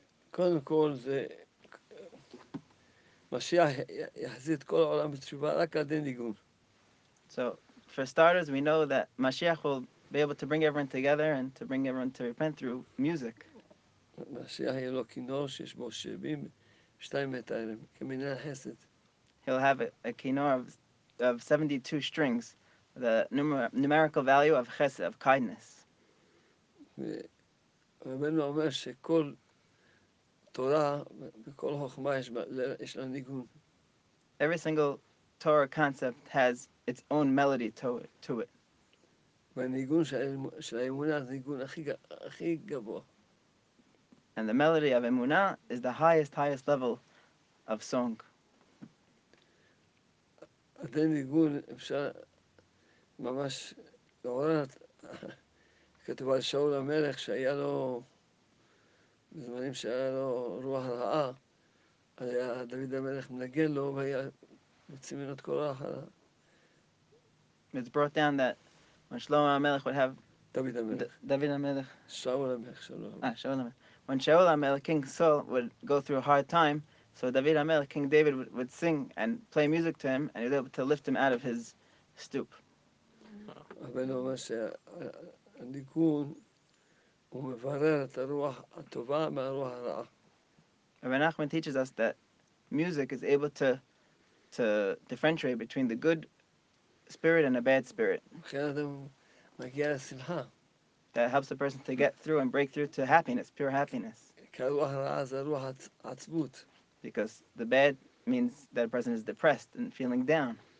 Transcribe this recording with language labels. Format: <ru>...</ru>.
<he>קודם כל זה משיח יחזיר את כל העולם בתשובה רק על ידי ניגון.</he> <en>So, for starters, we know that Mashiach will be able to bring everyone together and to bring everyone to repent through music.</en> <he>משיח יהיה לו כינור שיש בו שבים שתיים מטרים כמנהל חסד.</he> <en>He'll have a kinor of 72 strings, the numerical value of chesed, of kindness.</en> <he>ורבנו אומר שכל תורה וכל חוכמה יש לה ניגון.</he> <en>Every single Torah concept has its own melody to it.</en> <he>והניגון של האמונה זה ניגון הכי גבוה.</he> <en>And the melody of אמונה is the highest level of song.</en> <he>זה ניגון אפשר ממש לעוררת. כתוב על שאול המלך שהיה לו, בזמנים שהיה לו רוח רעה, היה דוד המלך מנגן לו והיה מוציא ממנו את כל רוח הרעה.</he> <en>It's brought down that when Shlomo HaMelech would have...</en> <he>דוד המלך. דוד המלך. שאול המלך, שלום. שאול המלך.</he> <en>When Shaul HaMelech, King Saul, would go through a hard time, so David HaMelech, King David, would sing and play music to him, and he was able to lift him out of his stoop.</en> <he>הבן אומר הניגון הוא מברר את הרוח הטובה מהרוח הרעה.</he> <en>Rabbi Nachman teaches us that music is able to differentiate between the good spirit and a bad spirit.</en> <he>לכן אדם מגיע לשמחה.</he> <en>That helps the person to get through and break through to happiness, pure happiness.</en> <he>כי הרוח הרעה זה רוח עצבות.</he> <en>Because the bad means that a person is depressed and feeling down.</en>